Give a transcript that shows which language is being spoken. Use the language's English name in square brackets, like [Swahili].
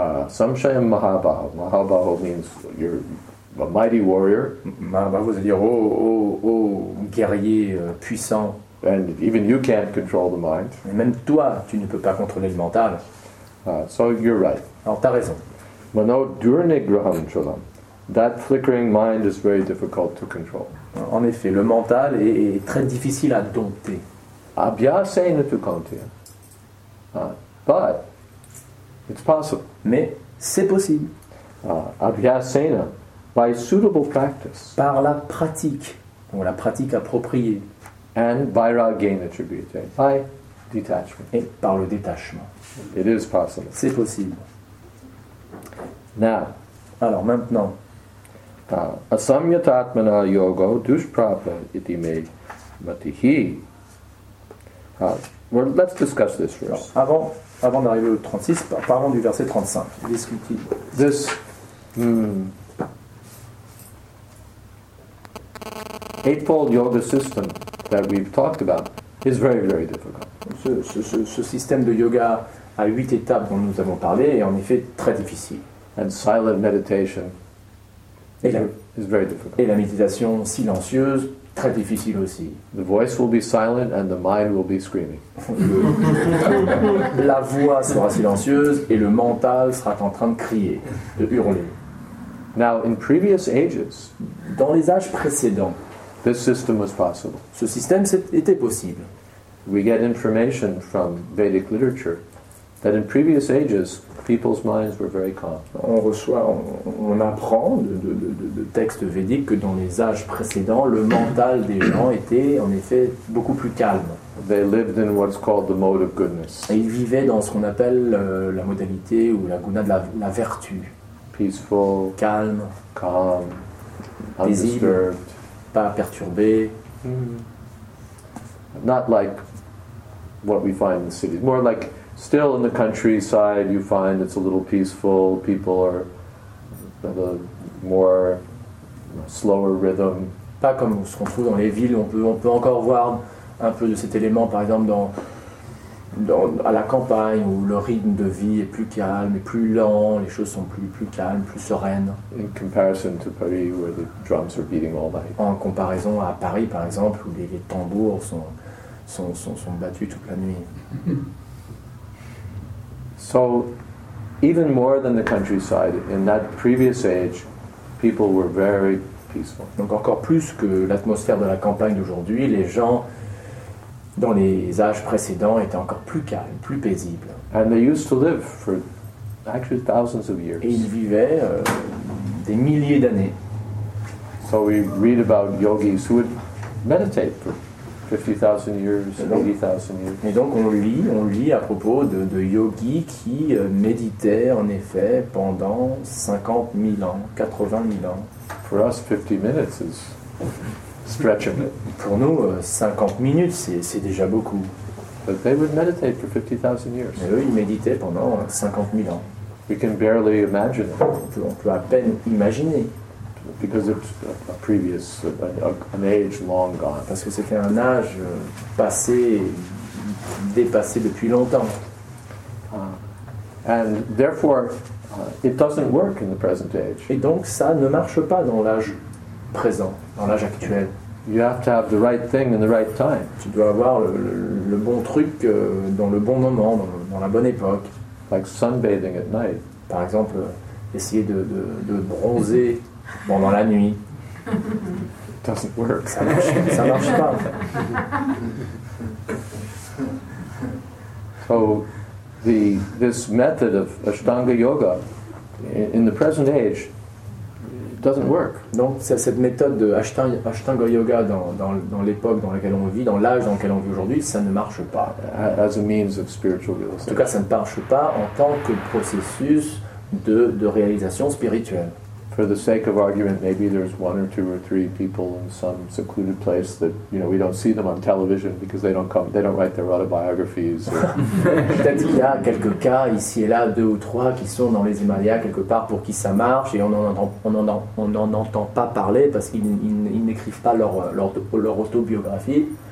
[Sanskrit] Samshayam Mahabaho. [English] Mahabaho means you're a mighty warrior. [French] Mahabaho, vous allez dire, oh, guerrier puissant. [English] And even you can't control the mind. [French] Et même toi, tu ne peux pas contrôler le mental. [English] So you're right. [French] Alors, t'as raison. [Sanskrit] Mano durnigraham cholam. [English] That flickering mind is very difficult to control. [French] En effet, le mental est très difficile à dompter. [Sanskrit] Abhyasena tu kanti. [English] But it's possible. [French] Mais c'est possible. [English] Abhyasena, by suitable practice. [French] Par la pratique, ou la pratique appropriée. [English] And [Sanskrit] vairagyena chibriyate, [English] by detachment. [French] Et par le détachement. [English] It is possible. [French] C'est possible. [English] Now. [French] Alors maintenant. [Sanskrit] Asamyatatmana yogo dushprapa iti me matihi. [English] Well, let's discuss this first. [French] Alors, avant d'arriver au 36, parlons du verset 35. Discutible. [English] This Eightfold Yoga system that we've talked about is very, very difficult. [French] Ce système de yoga à huit étapes dont nous avons parlé est en effet très difficile. [English] And silent meditation is very difficult. [French] Et la méditation silencieuse, très difficile aussi. [English] The voice will be silent and the mind will be screaming. [French] La voix sera silencieuse et le mental sera en train de crier, de hurler. [English] Now, in previous ages, [French] dans les âges précédents, [English] this system was possible. [French] Ce système était possible. [English] We get information from Vedic literature that in previous ages, people's minds were very calm. [French] On apprend de textes védiques que dans les âges précédents, le mental des gens était en effet beaucoup plus calme. [English] They lived in what's called the mode of goodness. [French] Et ils vivaient dans ce qu'on appelle la modalité ou la guna de la vertu. [English] Peaceful, [French] calme, [English] calm, [French] paisible, pas perturbé. Mm-hmm. [English] Not like what we find in the cities. More like still in the countryside, you find it's a little peaceful, people are at a more slower rhythm. [French] Pas comme ce qu'on trouve dans les villes, on peut encore voir un peu de cet élément, par exemple, à la campagne, où le rythme de vie est plus calme, et plus lent, les choses sont plus calmes, plus sereines. [English] In comparison to Paris, where the drums are beating all night. [French] En comparaison à Paris, par exemple, où les tambours sont battus toute la nuit. [English] So, even more than the countryside, in that previous age, people were very peaceful. [French] Donc encore plus que l'atmosphère de la campagne d'aujourd'hui, les gens dans les âges précédents étaient encore plus calmes, plus paisibles. [English] And they used to live for actually thousands of years. [French] Et ils vivaient des milliers d'années. [English] So we read about yogis who would meditate for 50,000 years, 80,000 years. [French] Et donc on lit à propos de yogis qui méditaient en effet pendant 50 000 ans, 80 000 ans. [English] For us, 50 minutes is stretching it. [French] Pour nous, 50 minutes, c'est déjà beaucoup. [English] But they would meditate for 50,000 years. [French] Mais eux, ils méditaient pendant 50 000 ans. [English] We can barely imagine it. [French] On peut à peine imaginer. [English] Because it's a previous an age long gone. [French] Parce que c'était un âge passé, dépassé depuis longtemps. [English] And therefore, it doesn't work in the present age. [French] Et donc ça ne marche pas dans l'âge présent, dans l'âge actuel. [English] You have to have the right thing in the right time. [French] Tu dois avoir le bon truc dans le bon moment, dans la bonne époque. [English] Like sunbathing at night. [French] Par exemple, essayer de bronzer. Pendant la nuit. [English] It doesn't work. [French] Ça marche pas. [English] So this method of Ashtanga Yoga in the present age doesn't work. [French] Donc c'est cette méthode de Ashtanga Yoga dans l'époque dans laquelle on vit, dans l'âge dans lequel on vit aujourd'hui, ça ne marche pas. [English] As a means of spiritual realization. [French] En tout cas, ça ne marche pas en tant que processus de réalisation spirituelle. [English] For the sake of argument, maybe there's one or two or three people in some secluded place that, you know, we don't see them on television because they don't write their autobiographies. [French] Peut-être qu'il y a quelques cas ici et là, deux ou trois, qui sont dans les Himalayas quelque part pour qui ça marche et on n'en entend pas parler parce qu'ils n'écrivent pas leur autobiographie.